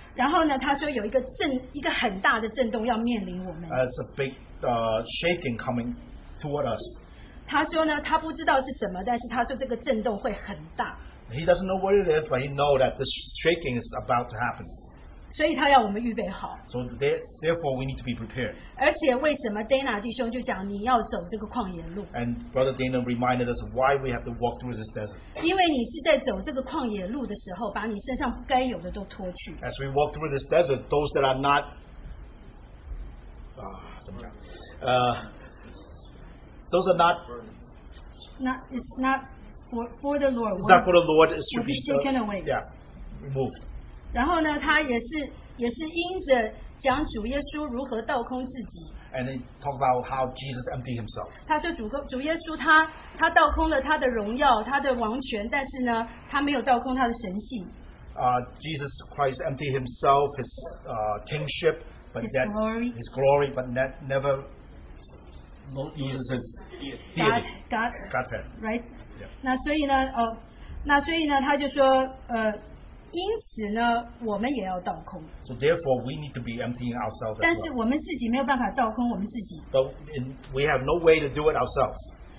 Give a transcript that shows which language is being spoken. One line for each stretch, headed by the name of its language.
Chinese: 然后呢, 他说有一个震,一个很大的震动要面临我们。
English: It's a big shaking coming toward us.
Chinese: 他说呢, 他不知道是什么, 但是他说这个震动会很大。
English: He doesn't know what it is, but he knows that this shaking is about to happen.
Chinese: 所以他要我们预备好,
English: so therefore we need to be prepared.
Chinese: 而且为什么Dana弟兄就讲, 你要走这个旷野路,
English: and Brother Dana reminded us why we have to walk through this desert.
Chinese: 因为你是在走这个旷野路的时候,
English: as we walk through this desert, those that are not it's not for the Lord it should be taken away, removed.
Chinese: 然后呢, 他也是因着讲主耶稣如何倒空自己,
English: and he talked about how Jesus emptied himself.
Chinese: 他说主耶稣他倒空了他的荣耀, 他的王权, 但是呢, 他没有倒空他的神性。
English: Jesus Christ emptied himself, his kingship, but his glory, his glory, but never loses his deity. God's head. Right? Yeah.
Chinese: 那所以呢, 他就说, 因此呢我们也要倒空,
English: so therefore we need to be emptying ourselves.
Chinese: 但是我们自己没有办法倒空我们自己,
English: but we have no way to do it ourselves.